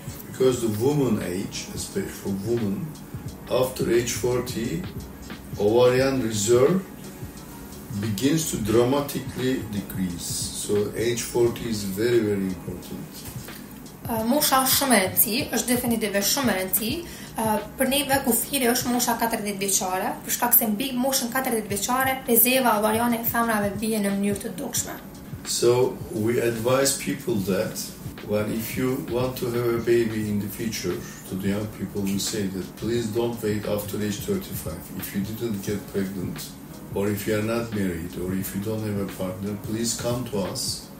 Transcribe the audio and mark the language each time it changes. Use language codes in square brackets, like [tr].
[en] Because the woman age, especially for women, after age 40, ovarian reserve begins to dramatically decrease. So age 40 is very, very important. [sq] Mosha është shumë e rëndësi, është definitive shumë e rëndësi. Për neve kufiri është mosha 40 vjeqare, për shkak se mbi moshën 40 vjeqare, rezerva ovariane e femrave vije në mënyrë të dukshme. [en] So we advise people that when if you want to have a baby in the future, to the young people we say that please don't wait after age 35. If you didn't get pregnant, or if you are not married, or if you don't have a partner, please come to us.